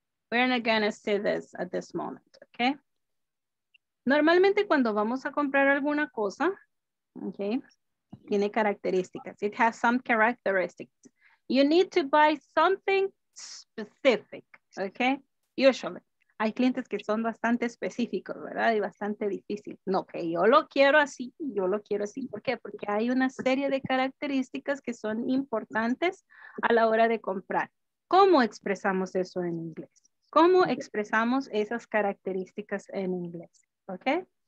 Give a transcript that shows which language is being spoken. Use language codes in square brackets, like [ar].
[en] We're not gonna see this at this moment, okay? [es] Normalmente cuando vamos a comprar alguna cosa, okay? Tiene características. [en] It has some characteristics. You need to buy something specific, okay? Usually. [es] hay clientes que son bastante específicos, ¿verdad? Y bastante difícil. No, que yo lo quiero así, yo lo quiero así. ¿Por qué? Porque hay una serie de características que son importantes a la hora de comprar. ¿Cómo expresamos eso en inglés? ¿Cómo expresamos esas características en inglés? ¿Ok?